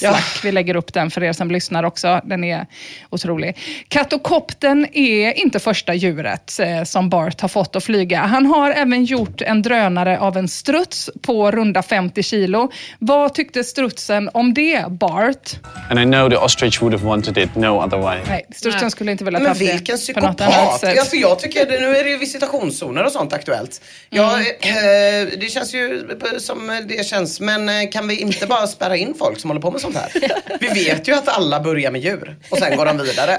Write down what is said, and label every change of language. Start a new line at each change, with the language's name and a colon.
Swedish: Ja. Vi lägger upp den för er som lyssnar också. Den är otrolig. Catocoptern är inte första djuret som Bart har fått att flyga. Han har även gjort en drönare av en struts på runda 50 kilo. Vad tyckte strutsen om det, Bart?
English: And I know the ostrich would have wanted it no other way.
Swedish: Nej, strutsen skulle inte vilja ta det. Men vilken psykopat. Alltså jag tycker att nu är det ju visitationszoner och sånt aktuellt. Det känns ju som det känns. Men kan vi inte bara spärra in folk som håller på med sånt här? Vi vet ju att alla börjar med djur. Och sen går de vidare.